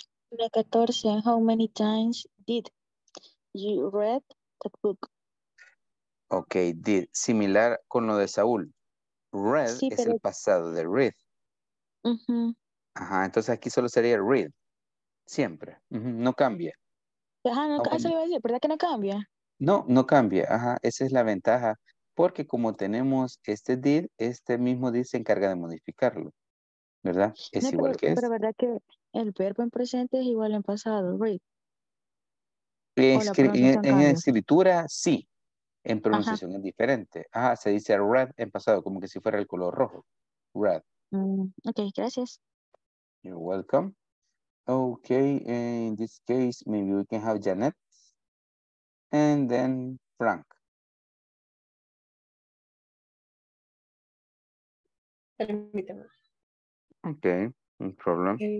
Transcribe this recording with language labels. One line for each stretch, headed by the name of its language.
English: La 14, how many times did you read that book?
Spanish: Okay, did. Similar con lo de Saúl. Read sí, es pero... el pasado de read. Uh-huh. Ajá, entonces aquí solo sería read. Siempre. Uh-huh. No cambia. Ajá, no, okay. Eso iba a decir. ¿Verdad que no cambia? No, no cambia. Ajá, esa es la ventaja. Porque como tenemos este did, este mismo did se encarga de modificarlo. ¿Verdad? Es no, igual que pero es. Pero verdad que el verbo en presente es igual en pasado, read. En escritura, sí. En pronunciación ajá. Es diferente. Ajá, se dice red en pasado, como que si fuera el color rojo.
English: Red.
Spanish: Ok, gracias.
English: You're welcome. Ok, in this case, maybe we can have Janet. And then Frank.
Spanish: Permítame.
English: Ok, no problem.